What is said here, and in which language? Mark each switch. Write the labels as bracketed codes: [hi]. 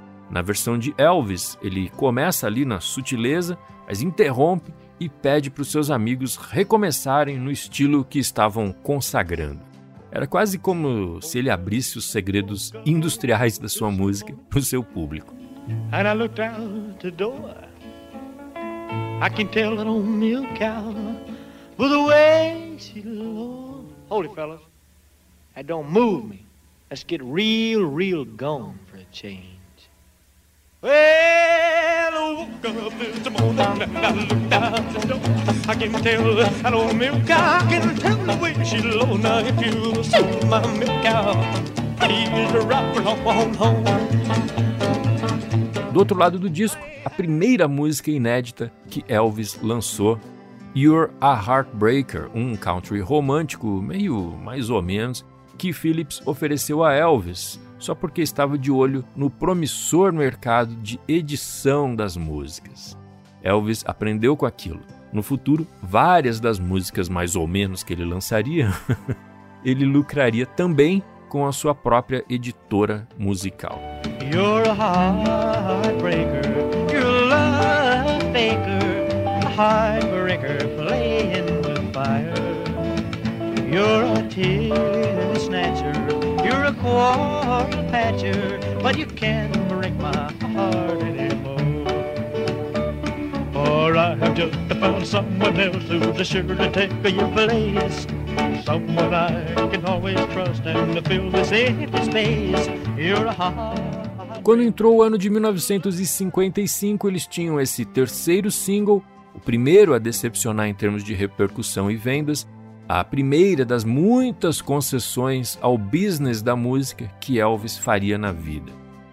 [pt] Na versão de Elvis, ele começa ali na sutileza, mas interrompe e pede para os seus amigos recomeçarem no estilo que estavam consagrando. Era quase como se ele abrisse os segredos industriais da sua música para o seu público. [en] And I looked out the door. I can tell that old milk cow with the way she loves. Hold it, fellas. That don't move me. Let's get real, real gone for a change. Well, I woke up this morning and I looked out the door. I can tell that old milk cow, I can tell the way she low. Now if you see my milk cow, please rock her on home. [pt] Do outro lado do disco, a primeira música inédita que Elvis lançou, You're a Heartbreaker, um country romântico meio mais ou menos, que Phillips ofereceu a Elvis, só porque estava de olho no promissor mercado de edição das músicas. Elvis aprendeu com aquilo. No futuro, várias das músicas mais ou menos que ele lançaria, ele lucraria também com a sua própria editora musical. [en] You're a heartbreaker, you're a love faker, a heartbreaker playing with fire. You're a tear snatcher, you're a quarrel patcher, but you can't break my heart anymore. For I have just found someone else who's sure to take your place. Someone I can always trust and fill this empty space. You're a heart. [pt] Quando entrou o ano de 1955, eles tinham esse terceiro single, o primeiro a decepcionar em termos de repercussão e vendas, a primeira das muitas concessões ao business da música que Elvis faria na vida.